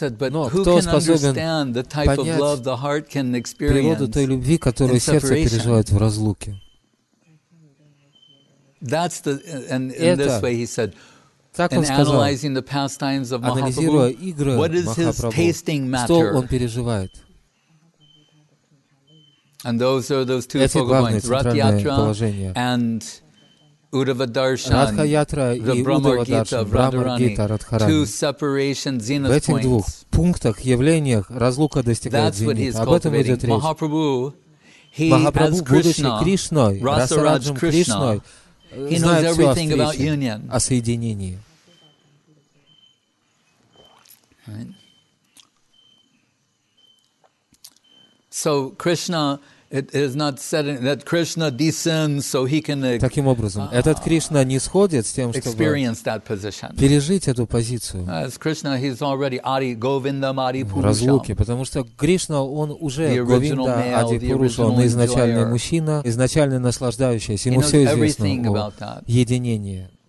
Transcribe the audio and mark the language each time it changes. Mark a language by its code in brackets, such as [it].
[ru] Но кто способен понять природу той любви, которую сердце переживает в разлуке? Так он сказал, анализируя игры Махапрабху, что он переживает? [en] And those are those two focal points: Ratha-yatra and Uddhava-darshan. [ru] Ratha-yatra и Uddhava-darshan, Brahma-gita, Radharani. [en] Two separation zenith points. [ru] В этих двух пунктах, явлениях, разлука достигает зенита. Об этом идет речь. Махапрабху, будучи Кришной, Расараджем Кришной, знает все о встрече, о соединении. [en] So Krishna, it is not said that Krishna descends so he can. [ru] Таким образом, этот Кришна не сходит с тем, чтобы пережить эту позицию. [en] As Krishna, he's already Adi Govinda Adi Purusha. [ru] Разлуки, потому что Кришна, он уже Говинда Ади Пуруша, он изначальный мужчина, изначально наслаждающийся. Ему все известно о единении.